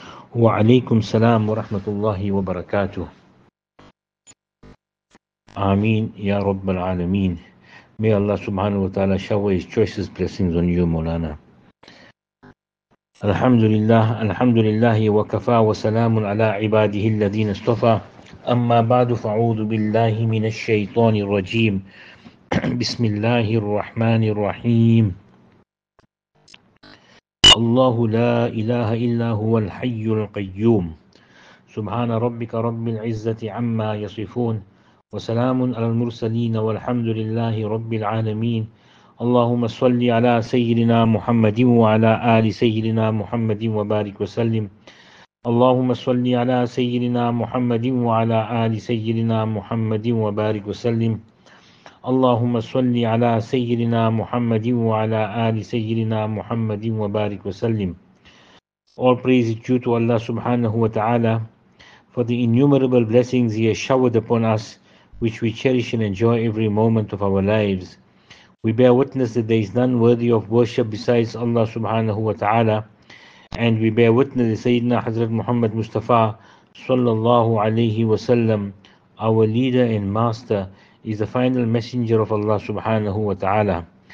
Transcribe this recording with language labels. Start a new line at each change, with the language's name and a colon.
Arabic: وعليكم السلام ورحمة الله وبركاته. آمين يا رب العالمين.
English: May Allah subhanahu wa ta'ala shower His choicest blessings on you, Mawlana.
Arabic: Alhamdulillah, alhamdulillahi wa kafa wa salamun ala ibadihi alladhina istafa. Amma ba'du fa'udhu billahi minash shaytanir rajim. Bismillahir Rahmanir Rahim. الله لا إله إلا هو الحي القيوم سبحان ربك رب العزة عما يصفون وسلام على المرسلين والحمد لله رب العالمين اللهم صل على سيدنا محمد وعلى آل سيدنا محمد وبارك وسلم اللهم صل على سيدنا محمد وعلى آل سيدنا محمد وبارك وسلم اللهم صل على سيدنا محمد وعلى آل سيدنا محمد وبارك وسلم.
English: All praise is due to Allah subhanahu wa ta'ala for the innumerable blessings He has showered upon us, which we cherish and enjoy every moment of our lives. We bear witness that there is none worthy of worship besides Allah subhanahu wa ta'ala, and we bear witness that Sayyidina Hazrat Muhammad Mustafa sallallahu alayhi wa sallam, our leader and master, is the final messenger of Allah subhanahu wa ta'ala.